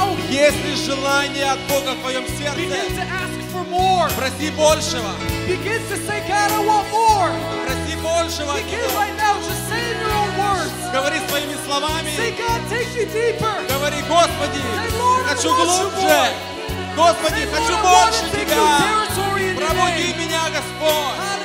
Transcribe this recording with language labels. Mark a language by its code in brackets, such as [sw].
[ru] Если желание от Бога в твоем сердце, проси большего. [en] Begin to say, God, I want more. [ru] Проси большего. [en] Begin right now, just say in your own words. [ru] Говори своими словами. [en] Say, God, take me deeper. [ru] Говори, Господи, хочу глубже. Господи, [en] say, [ru] хочу [en] Lord, [ru] больше Тебя. Пробуди меня, пробуди меня, Господь.